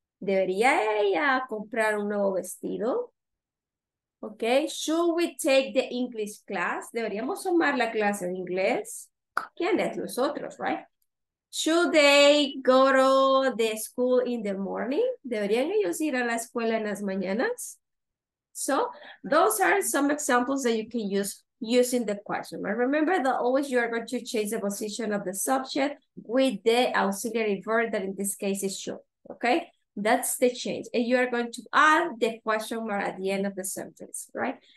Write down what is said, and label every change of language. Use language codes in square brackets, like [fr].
[es] ¿Debería ella comprar un nuevo vestido? [en] Okay, should we take the English class? [es] ¿Deberíamos tomar la clase de inglés? ¿Quién es? Nosotros, right? [en] Should they go to the school in the morning? [es] ¿Deberían ellos ir a la escuela en las mañanas? [en] So those are some examples that you can use using the question. But remember that always you are going to change the position of the subject with the auxiliary verb that in this case is should. Okay, that's the change. And you are going to add the question mark at the end of the sentence, right?